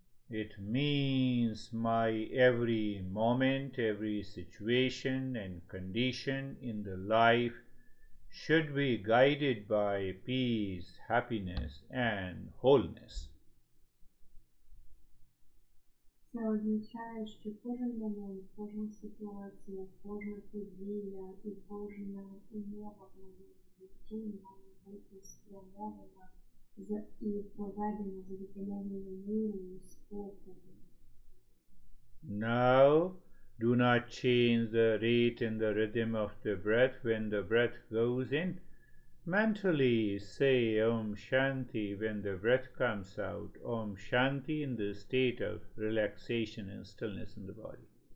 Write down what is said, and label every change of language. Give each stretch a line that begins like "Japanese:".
English: It means my every moment, every situation and condition in the life should be guided by peace, happiness and wholeness.
Ukrainian: Це означає, що кожен момент, кожна ситуація, кожна подія і кожна умова в моєму житті має бути спрямована за і поведена за виконання миру і спокою.
English: Now, do not change the rate and the rhythm of the breath when the breath goes in. Mentally say Om Shanti when the breath comes out, Om Shanti in the state of relaxation and stillness in the body.